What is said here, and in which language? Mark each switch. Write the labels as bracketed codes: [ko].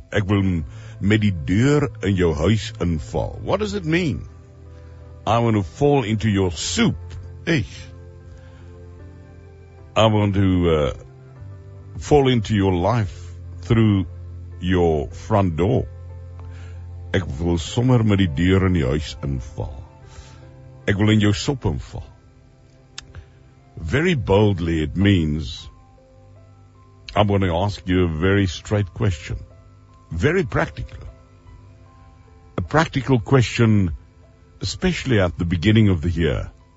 [af] Ek wil met die deur in jou huis inval. [en] What does it mean? I want to fall into your soup. Eish. I want to fall into your life through your front door. [af] Ek wil sommer met die deur in die huis inval. Ek wil in jou sop inval. [en] Very boldly, it means, I'm going to ask you a very straight question. Very practical. A practical question, especially at the beginning of the year.